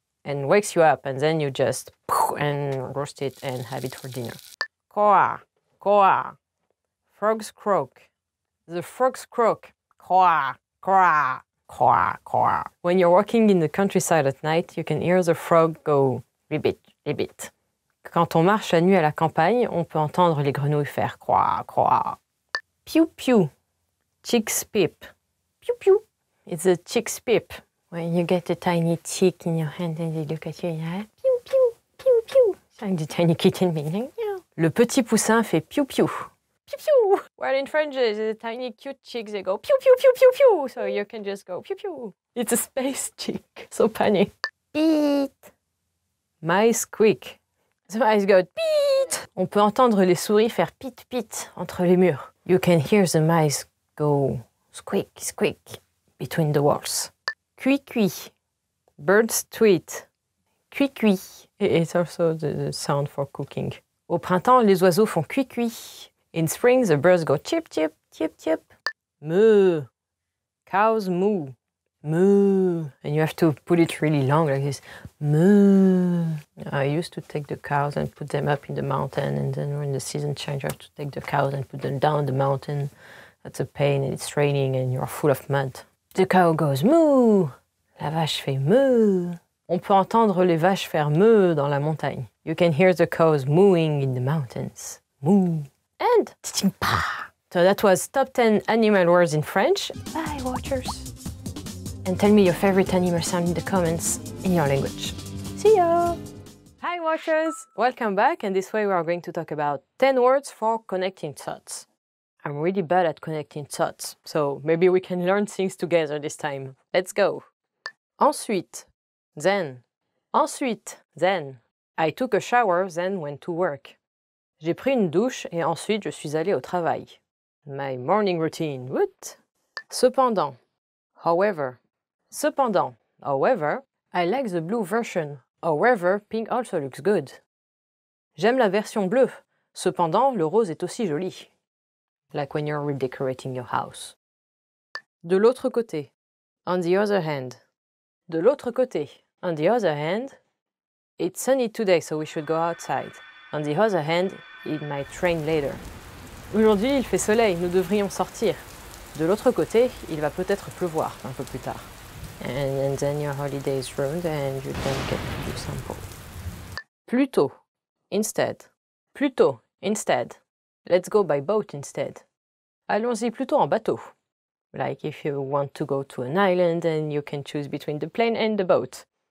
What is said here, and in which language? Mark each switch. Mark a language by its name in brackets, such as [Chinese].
[English] And wakes you up, and then you just and roast it and have it for dinner. Coa, coa, frogs croak, the frogs croak, coa, coa, coa, coa. When you're walking in the countryside at night, you can hear the frog go ribbit, ribbit. [French] quand on marche la nuit à la campagne, on peut entendre les grenouilles faire croak, croak. [English] Piu, piu. Chicks peep. Piu, piu. It's a chick's peep. When you get a tiny chick in your hand and they look at you, yeah? Piu, piu, piu, piu. Like the tiny kitten being. [French] Le petit poussin fait piu, piu. Piu, piu. [English] Well, in French, the tiny cute chicks, they go piu, piu, piu, piu, piu. So you can just go piu, piu. It's a space chick. So panic. Beat. Mice squeak. The mice go beat. [French] On peut entendre les souris faire pit, pit entre les murs. [English] You can hear the mice go squeak, squeak between the walls. Cui, cui. Birds tweet. Cui, cui. It's also the sound for cooking. [French] Au printemps, les oiseaux font cui, cui. [English] In spring, the birds go chip, chip, chip, chip. Moo. Cows moo. Moo. And you have to put it really long like this. Moo. I used to take the cows and put them up in the mountain. And then when the season changed, I have to take the cows and put them down the mountain. That's a pain. It's raining and you're full of mud. The cow goes moo. [French] La vache fait moo. On peut entendre les vaches faire moo dans la montagne. [English] You can hear the cows mooing in the mountains. Moo. And so that was top 10 animal words in French. Bye, watchers. And tell me your favorite animal sound in the comments in your language. See ya! Hi, watchers! Welcome back, and this way we are going to talk about 10 words for connecting thoughts. I'm really bad at connecting thoughts, so maybe we can learn things together this time. Let's go! Ensuite, then. Ensuite, then. I took a shower, then went to work. [French] J'ai pris une douche et ensuite je suis allé au travail. [English] My morning routine, what? Cependant, however. Cependant, however, I like the blue version. However, pink also looks good. [French] J'aime la version bleue. Cependant, le rose est aussi joli. [English] Like when you're redecorating your house. [French] De l'autre côté. [English] On the other hand. De l'autre côté. On the other hand. It's sunny today, so we should go outside. On the other hand, it might rain later. [French] Aujourd'hui, il fait soleil, nous devrions sortir. De l'autre côté, il va peut-être pleuvoir un peu plus tard. [English] And then your holiday is ruined and you don't get to do something. Plutôt. Instead. Plutôt. Instead. Let's go by boat instead. [French] Allons-y plutôt en bateau. [English] Like if you want to go to an island and you can choose between the plane and the boat.